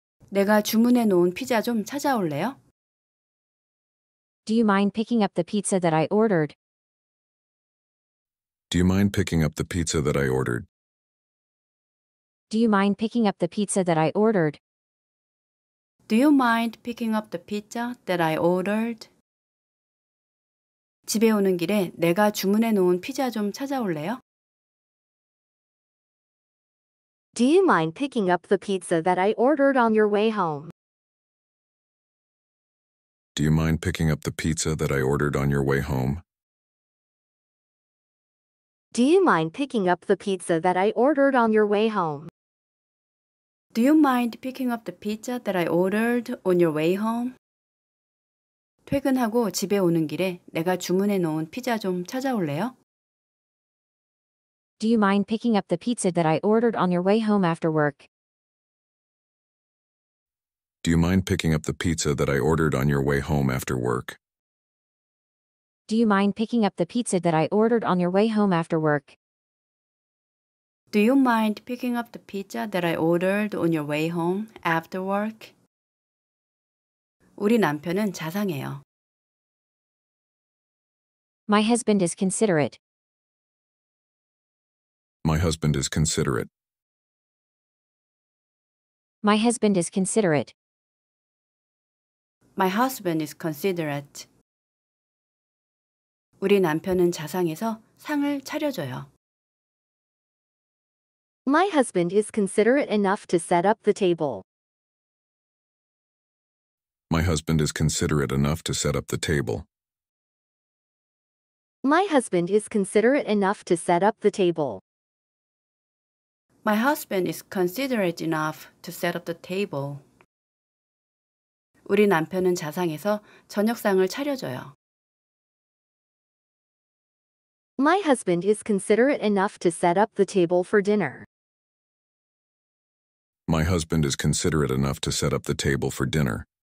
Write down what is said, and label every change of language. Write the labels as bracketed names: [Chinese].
[Korean] 내가 주문해 놓은 피자 좀 찾아올래요? [English] Do you mind picking up the pizza that I ordered? Do you mind picking up the pizza that I ordered? Do you mind picking up the pizza that I ordered? Do you mind picking up the pizza that I ordered? [Korean] 집에 오는 길에 내가 주문해 놓은 피자 좀 찾아올래요? [English] Do you mind picking up the pizza that I ordered on your way home? Do you mind picking up the pizza that I ordered on your way home? Do you mind picking up the pizza that I ordered on your way home? Do you mind picking up the pizza that I ordered on your way home? [Korean] 퇴근하고 집에 오는 길에 내가 주문해 놓은 피자 좀 찾아올래요? [English] Do you mind picking up the pizza that I ordered on your way home after work? Do you mind picking up the pizza that I ordered on your way home after work? Do you mind picking up the pizza that I ordered on your way home after work? Do you mind picking up the pizza that I ordered on your way home after work? [Korean] 우리 남편은 자상해요. [English] My husband is considerate. My husband is considerate. My husband is considerate. My husband is considerate. [Korean] 우리 남편은 자상해서 상을 차려줘요. [English] My husband is considerate enough to set up the table. My husband is considerate enough to set up the table. My husband is considerate enough to set up the table. My husband is considerate enough to set up the table. [Korean] 우리 남편은 자상해서 저녁상을 차려줘요. [English] My husband is considerate enough to set up the table for dinner. My husband is considerate enough to set up the table for dinner.